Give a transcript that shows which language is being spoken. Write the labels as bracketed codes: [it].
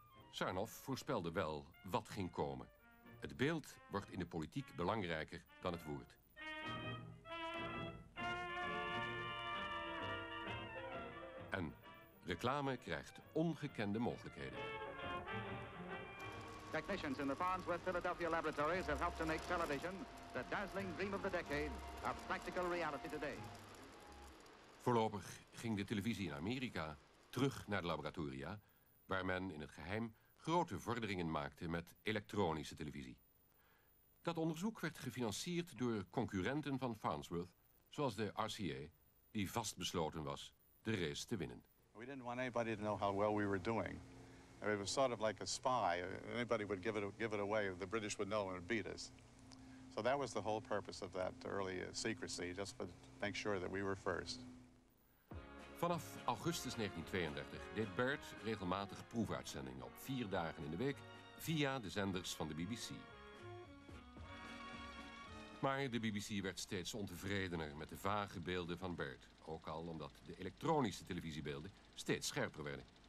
[nl] Sarnoff voorspelde wel wat ging komen. Het beeld wordt in de politiek belangrijker dan het woord. En reclame krijgt ongekende mogelijkheden. [en] Technicians in the Farnsworth Philadelphia laboratories have helped to make television the dazzling dream of the decade a practical reality today. [nl] Voorlopig ging de televisie in Amerika terug naar de laboratoria, waar men in het geheim grote vorderingen maakte met elektronische televisie. Dat onderzoek werd gefinancierd door concurrenten van Farnsworth, zoals de RCA, die vastbesloten was de race te winnen. [en] We didn't want anybody to know how well we were doing. I mean, it was sort of like a spy. Anybody would give it away, the British would know and would beat us. So that was the whole purpose of that early secrecy, just to make sure that we were first. [nl] Vanaf augustus 1932 deed Bert regelmatig proefuitzendingen op 4 dagen in de week via de zenders van de BBC. Maar de BBC werd steeds ontevredener met de vage beelden van Bert. Ook al omdat de elektronische televisiebeelden steeds scherper werden.